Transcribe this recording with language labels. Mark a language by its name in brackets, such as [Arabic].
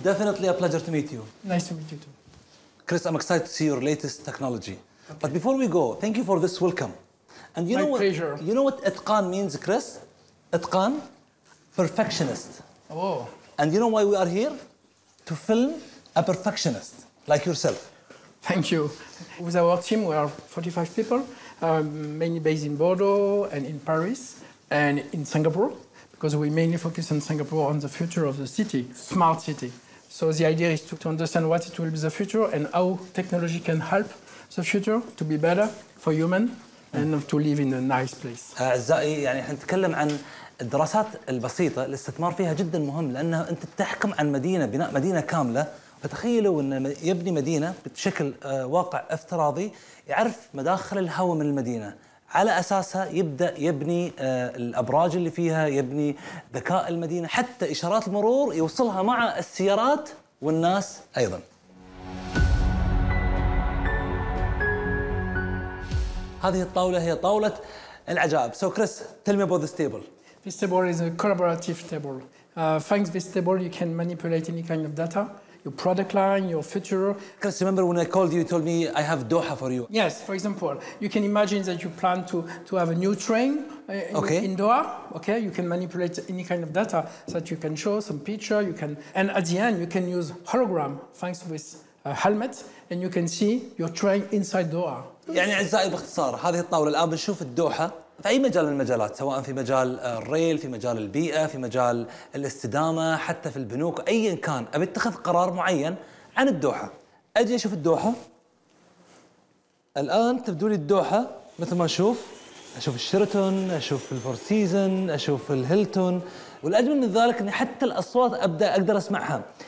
[English] Definitely a pleasure to meet you. Nice to meet you too. Chris, I'm excited to see your latest technology. Okay. But before we go, thank you for this welcome. And you My know pleasure. What, you know what إتقان means, Chris? إتقان, perfectionist. Oh. And you know why we are here? To film a perfectionist like yourself. Thank you. With our team, we are 45 people, mainly based in Bordeaux and in Paris and in Singapore, because we mainly focus on Singapore on the future of the city, smart city. So the idea is to understand what it will be the future and how technology can help the future to be better for human and to live in a nice place. [Arabic] أعزائي يعني هنتكلم عن الدراسات البسيطة الاستثمار فيها جدا مهم لأنه أنت تحكم عن مدينة بناء مدينة كاملة. فتخيلوا أن يبني مدينة بشكل واقع افتراضي يعرف مداخل الهواء من المدينة على أساسها يبدأ يبني الأبراج اللي فيها يبني ذكاء المدينة حتى إشارات المرور يوصلها مع السيارات والناس أيضا. هذه الطاولة هي طاولة العجائب. [English] So Chris, tell me about this table. This table is a collaborative table. Thanks to this table, you can manipulate any kind of data, your product line, your future. Chris, remember when I called you, you told me I have Doha for you. Yes, for example, you can imagine that you plan to have a new train in Doha. Okay, you can manipulate any kind of data so that you can show some picture. You can, and at the end, you can use hologram thanks to this helmet, and you can see your train inside Doha. [Arabic] يعني عزائي باختصار هذه الطاولة الآن بنشوف الدوحة في أي مجال من المجالات، سواء في مجال الريل، في مجال البيئة، في مجال الاستدامة، حتى في البنوك، أي إن كان أبي اتخذ قرار معين عن الدوحة أجي أشوف الدوحة. الآن تبدو لي الدوحة مثل ما أشوف، أشوف الشيرتون، أشوف الفور سيزن، أشوف الهيلتون، والأجمل من ذلك أني حتى الأصوات أبدأ أقدر أسمعها.